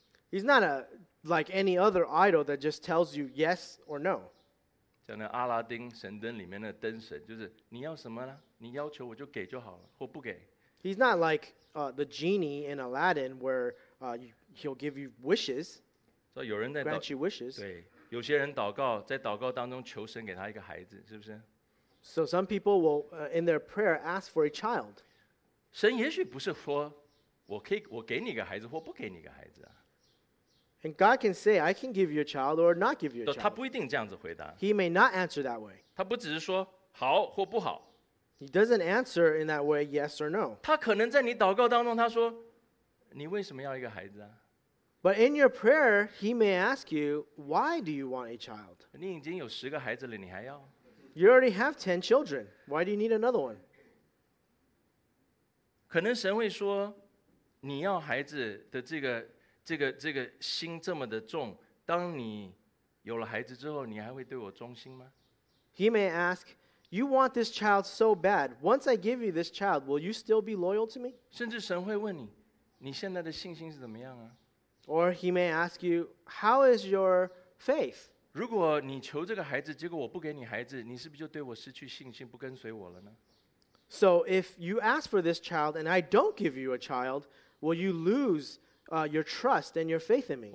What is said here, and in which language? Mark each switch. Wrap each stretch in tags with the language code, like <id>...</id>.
<en>He's not a like any other idol that just tells you yes or no.</en> <zh>像那阿拉丁神灯里面的灯神，就是你要什么呢？你要求我就给就好了，或不给。</zh> <en>He's not like the genie in Aladdin where he'll give you wishes.</en> <zh>所以有人在</zh> <en>grant you wishes.</en> <zh>对，有些人祷告在祷告当中求神给他一个孩子，是不是？</zh> <en>So some people will in their prayer ask for a child.</en> <zh>神也许不是说我给你个孩子或不给你个孩子啊。</zh> <en>And God can say, I can give you a child or not give you a child.</en> <zh>他不一定这样子回答。</zh> <en>He may not answer that way.</en> <zh>他不只是说好或不好。</zh> <en>He doesn't answer in that way, yes or no.</en> <zh>他可能在你祷告当中他说你为什么要一个孩子啊？</zh> <en>But in your prayer, he may ask you, why do you want a child?</en> <zh>你已经有十个孩子了，你还要？</zh> <en>You already have 10 children. Why do you need another one?</en> <zh>可能神会说你要孩子的这个心这么的重，当你有了孩子之后，你还会对我忠心吗？</zh> <en>He may ask, you want this child so bad. Once I give you this child, will you still be loyal to me?</en> <zh>甚至神会问你，你现在的信心是怎么样啊？</zh> <en>Or he may ask you, how is your faith?</en> <zh>如果你求这个孩子，结果我不给你孩子，你是不是就对我失去信心，不跟随我了呢？</zh> <en>So if you ask for this child and I don't give you a child, will you lose your trust and your faith in me.</en>